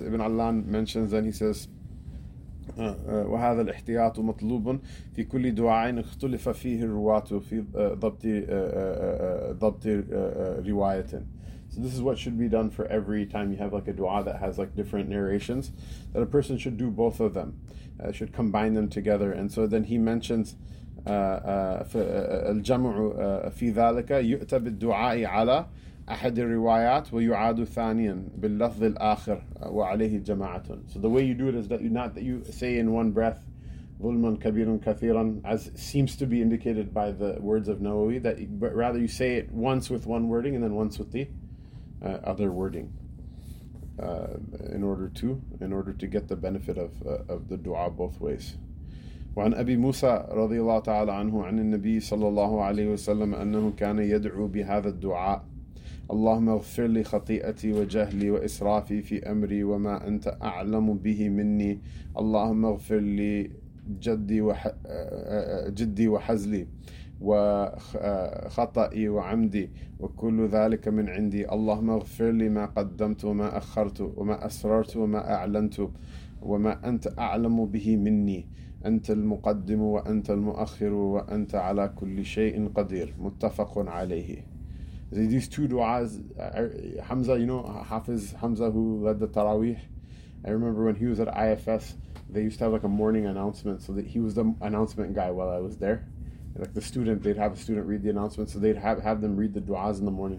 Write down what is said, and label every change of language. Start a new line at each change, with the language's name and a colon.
English: Ibn Allan mentions, and he says,
Arabic: وَهَذَا الْإِحْتِيَاطُ مَطْلُوبٌ فِي كُلِّ دُعَاءٍ اخْتُلِفَ فِيهِ الرُّوَاتُ فِي ضَبْطِ رِوَايَةٍ.
English: So this is what should be done for every time you have like a dua that has like different narrations, that a person should do both of them, should combine them together. And so then he mentions,
Arabic: الجمع في ذلك يؤتى بالدعاء على أحد الروايات ويعاد ثانيا باللفظ الآخر وعليه جماعة.
English: So the way you do it is that you, not that you say in one breath
Arabic: ظلما كبيرا كثيرا,
English: as seems to be indicated by the words of Nawawi, that you, but rather you say it once with one wording and then once with the other wording, in order to get the benefit of the dua both ways.
Arabic: وعن أبي موسى رضي الله تعالى عنه عن النبي صلى الله عليه وسلم أنه كان يدعو بهذا الدعاء اللهم اغفر لي خطيئتي وجهلي وإسرافي في أمري وما أنت أعلم به مني اللهم اغفر لي جدي وحزلي وخطئي وعمدي وكل ذلك من عندي اللهم اغفر لي ما قدمت وما أخرت وما أسررت وما أعلنت وما أنت أعلم به مني أنت المقدم وأنت المؤخر وأنت على كل شيء قدير متفق عليه.
English: These two du'as, Hamza, you know, Hafiz Hamza, who led the Taraweeh, I remember when he was at IFS, they used to have like a morning announcement, so that he was the announcement guy while I was there. Like the student, they'd have a student read the announcement, so they'd have them read the du'as in the morning.